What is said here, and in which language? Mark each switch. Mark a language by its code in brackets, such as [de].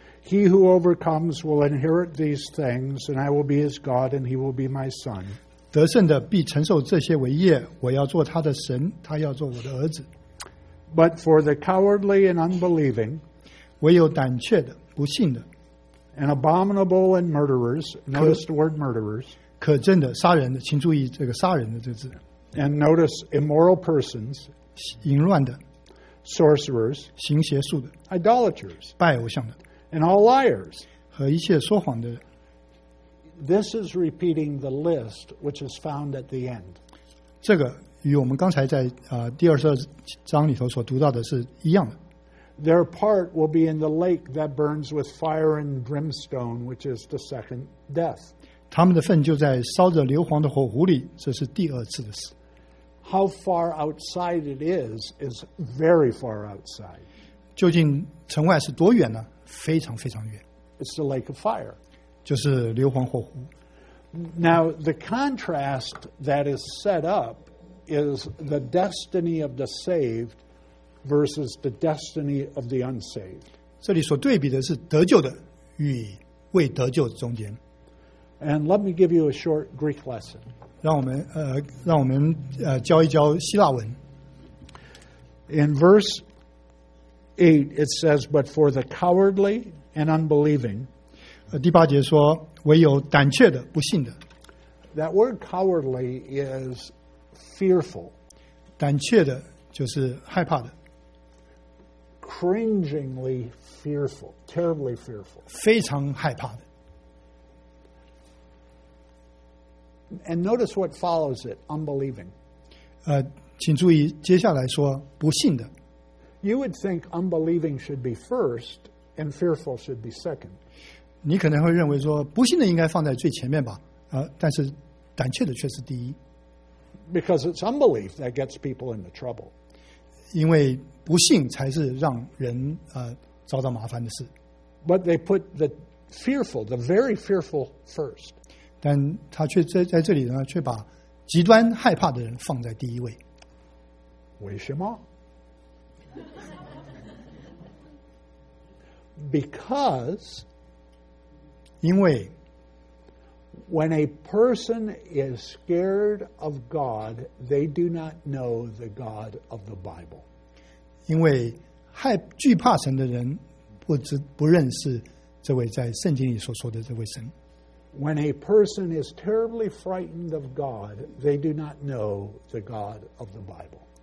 [en] he who overcomes will inherit these things, and I will be his God, and he will be my son. [zh] 得胜的必承受这些为业, 我要做他的神, 他要做我的儿子。 [en] But for the cowardly and unbelieving, [zh] 唯有胆怯的, 不信的, [en] and abominable and murderers, [zh] 可, [en] notice the word murderers, [zh] 可真的, 杀人的, 请注意这个杀人的这字, [en] and notice immoral persons, [zh] 淫乱的, [en] sorcerers, [zh] 行邪术的, [en] idolaters, [zh] 拜偶像的, [en] and all liars, [zh] 和一切说谎的, [en] this is repeating the list which is found at the end. [zh] 这个, 与我们刚才在, 第22章里头所读到的是一样的。 [en] Their part will be in the lake that burns with fire and brimstone, which is the second death. [zh] 他们的份就在烧着硫磺的火壶里, 这是第二次的死。 [en] How far outside it is very far outside. [zh] 究竟城外是多远呢?非常非常远。 [en] It's the lake of fire. [zh] 就是硫磺火壶。 [en] Now, the contrast that is set up is the destiny of the saved versus the destiny of the unsaved. [zh] 这里所对比的是得救的与未得救的中间。 [en] And let me give you a short Greek lesson. [zh] 让我们教一教希腊文。 [en] In verse 8, it says, but for the cowardly and unbelieving, [zh] 第八节说,唯有胆怯的,不信的。 [en] That word cowardly is fearful, [zh] 胆怯的就是害怕的, [en] cringingly fearful, terribly fearful, [zh] 非常害怕的。 [en] And notice what follows it, unbelieving. [zh] 请注意接下来说不信的。 [en] You would think unbelieving should be first and fearful should be second. [zh] 你可能会认为说不信的应该放在最前面吧, 但是胆怯的却是第一。 [en] Because it's unbelief that gets people into trouble. [zh] 因为不信才是让人, [en] but they put the fearful, the very fearful first. [zh] 但他却在这里呢, 却把极端害怕的人放在第一位。为什么? [en] Because [zh] 因为 [en] when a person is scared of God, they do not know the God of the Bible. [zh] 因为惧怕神的人不认识这位在圣经里所说的这位神。 [en] When a person is terribly frightened of God, they do not know the God of the Bible.